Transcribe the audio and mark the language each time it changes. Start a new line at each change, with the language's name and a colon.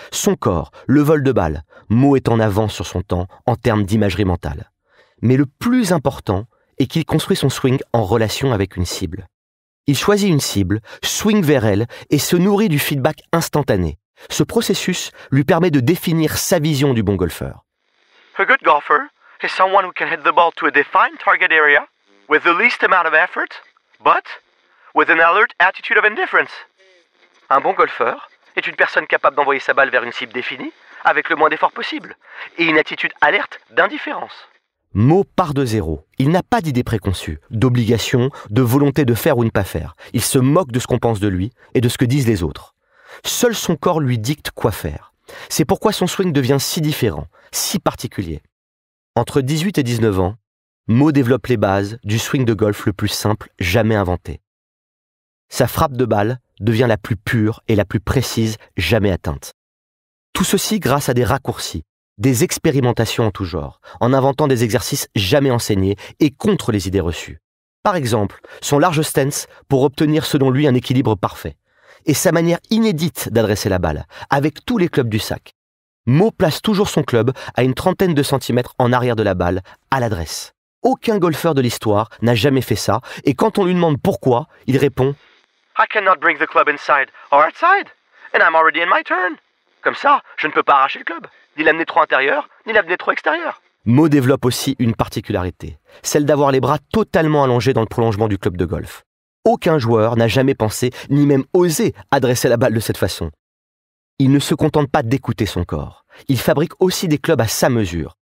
French: Son corps, le vol de balle. Mo est en avance sur son temps en termes d'imagerie mentale. Mais le plus important est qu'il construit son swing en relation avec une cible. Il choisit une cible, swing vers elle et se nourrit du feedback instantané. Ce processus lui permet de définir sa vision du bon golfeur.
English: A good golfer is someone who can hit the ball to a defined target area with the least amount of effort, but with an alert attitude of indifference.
French: Un bon golfeur est une personne capable d'envoyer sa balle vers une cible définie avec le moins d'effort possible et une attitude alerte d'indifférence. Mo part de zéro. Il n'a pas d'idée préconçue, d'obligation, de volonté de faire ou ne pas faire. Il se moque de ce qu'on pense de lui et de ce que disent les autres. Seul son corps lui dicte quoi faire. C'est pourquoi son swing devient si différent, si particulier. Entre 18 et 19 ans, Mo développe les bases du swing de golf le plus simple jamais inventé. Sa frappe de balle devient la plus pure et la plus précise jamais atteinte. Tout ceci grâce à des raccourcis, des expérimentations en tout genre, en inventant des exercices jamais enseignés et contre les idées reçues. Par exemple, son large stance pour obtenir selon lui un équilibre parfait. Et sa manière inédite d'adresser la balle, avec tous les clubs du sac. Mo place toujours son club à une trentaine de centimètres en arrière de la balle, à l'adresse. Aucun golfeur de l'histoire n'a jamais fait ça, et quand on lui demande pourquoi, il répond
English: « I cannot bring the club inside or outside, and I'm already in my turn.
French: Comme ça, je ne peux pas arracher le club, ni l'amener trop intérieur, ni l'amener trop extérieur. » Mo développe aussi une particularité, celle d'avoir les bras totalement allongés dans le prolongement du club de golf. Aucun joueur n'a jamais pensé, ni même osé, adresser la balle de cette façon. Il ne se contente pas d'écouter son corps. Il fabrique aussi des clubs à sa mesure.